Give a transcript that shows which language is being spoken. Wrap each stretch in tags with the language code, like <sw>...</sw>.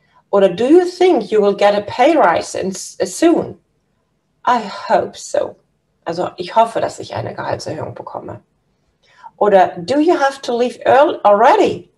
<en>Oder do you think you will get a pay rise soon? I hope so.</en> <de>Also ich hoffe, dass ich eine Gehaltserhöhung bekomme.</de> <en>Oder do you have to leave early already?</en>